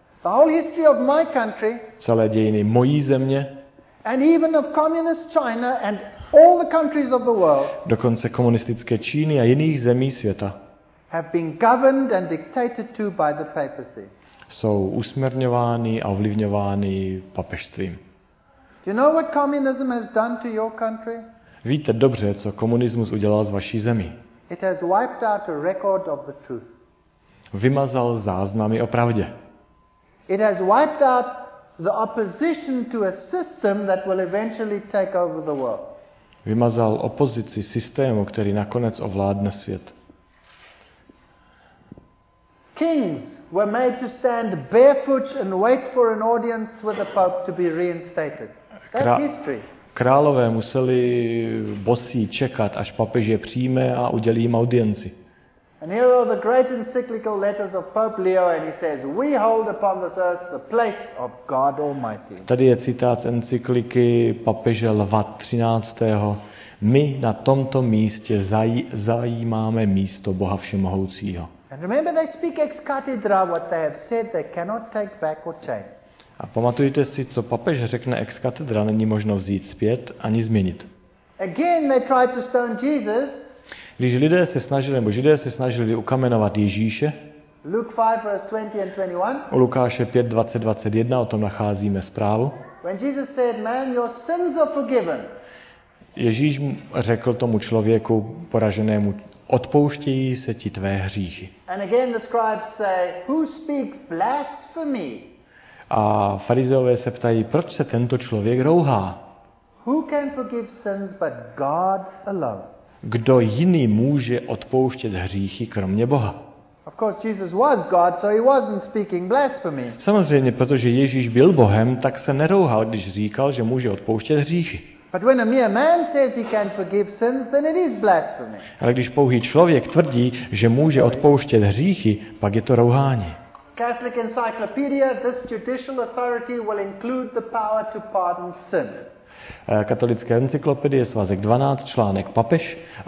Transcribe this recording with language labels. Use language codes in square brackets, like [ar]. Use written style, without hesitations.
[en] The whole history of my country. [cs] Celé dějiny mojí země. [en] And even of communist China and all the countries of the world. [cs] Dokonce komunistické Číny a jiných zemí světa. [en] Have been governed and dictated to by the papacy. [cs] Jsou usměrňovány a ovlivňovány papežstvím. [en] You know what communism has done to your country? [cs] Víte dobře, co komunismus udělal s vaší zemí. [en] It has wiped out a record of the truth. [cs] Vymazal záznamy o pravdě. [en] It has wiped out the opposition to a system that will eventually take over the world. [cs] Vymazal opozici systému, který nakonec ovládne svět. [en] Kings were made to stand barefoot and wait for an audience with the Pope to be reinstated. [cs] Králové museli bosí čekat, až papež je přijme a udělí jim audienci. [en] And here are the great encyclical letters of Pope Leo, and he says, "We hold upon this earth the place of God Almighty." [cs] Tady je citát z encykliky papeže Leva 13. My na tomto místě zajímáme místo Boha všemohoucího. [en] And remember, they speak ex cathedra what they have said; they cannot take back or change. [cs] A pamatujte si, co papež řekne ex cathedra, není možno vzít zpět ani změnit. [en] Again they tried to stone Jesus. [cs] Když lidé se snažili, nebo židé se snažili ukamenovat Ježíše, [en] Luke 5, verse 20 and 21, [cs] u Lukáše 5, 20, 21, o tom nacházíme zprávu, [en] when Jesus said, man, your sins are forgiven. [cs] Ježíš řekl tomu člověku poraženému, odpouštějí se ti tvé hříchy. [en] And again the scribes say, who speaks blasphemy? [cs] A farizeové se ptají, proč se tento člověk rouhá? [en] Who can forgive sins but God alone? [cs] Kdo jiný může odpouštět hříchy kromě Boha? [en] Of course Jesus was God, so he wasn't speaking blasphemy. [cs] Samozřejmě, protože Ježíš byl Bohem, tak se nerouhal, když říkal, že může odpouštět hříchy. [en] But when a mere man says he can forgive sins, then it is blasphemy. [cs] Ale když pouhý člověk tvrdí, že může odpouštět hříchy, pak je to rouhání. [en] Catholic Encyclopedia, this judicial authority will include the power to pardon sin. [cs] Katolické encyklopedie, svazek 12, článek papež.